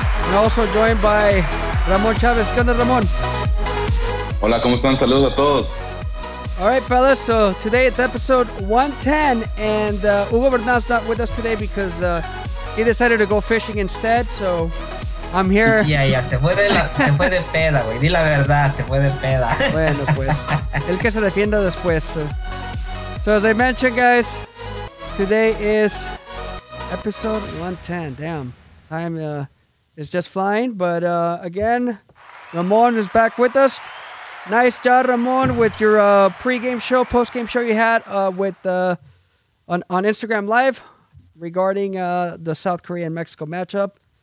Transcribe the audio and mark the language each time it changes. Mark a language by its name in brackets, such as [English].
[English] And also joined by Ramon Chavez. [Spanish] ¿Qué onda, Ramon? Hola, ¿cómo están? Saludos a todos. [English] All right, fellas, so today it's episode 110, and Hugo Bernal's not with us today because he decided to go fishing instead, so I'm here. [Spanish] Yeah, se fue de peda, güey. Di la verdad, se fue de peda. Bueno, pues, el que se defienda después. [English] So as I mentioned, guys, today is episode 110. Damn, time is just flying, but again, Ramon is back with us. Nice job, Ramon, with your pre-game show, post-game show you had on Instagram Live regarding the South Korean-Mexico matchup.